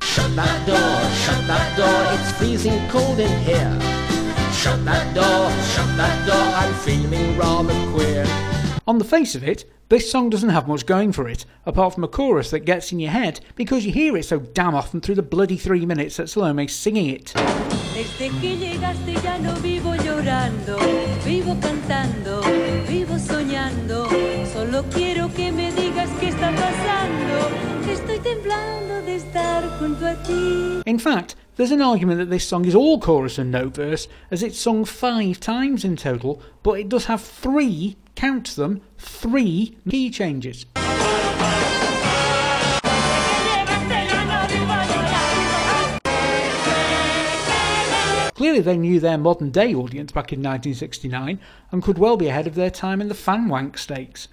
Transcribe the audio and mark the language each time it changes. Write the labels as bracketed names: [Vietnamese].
[English] Shut that door, it's freezing cold in here. Shut that door, I'm feeling rather queer. On the face of it, this song doesn't have much going for it, apart from a chorus that gets in your head because you hear it so damn often through the bloody 3 minutes that Salome's singing it. [Spanish] Desde que llegaste ya no vivo llorando, vivo cantando, vivo soñando. Solo quiero que me digas qué está pasando. Estoy temblando de estar junto a ti. [English] In fact, there's an argument that this song is all chorus and no verse, as it's sung 5 times in total, but it does have 3 count them, 3 key changes. Clearly they knew their modern day audience back in 1969 and could well be ahead of their time in the fanwank stakes.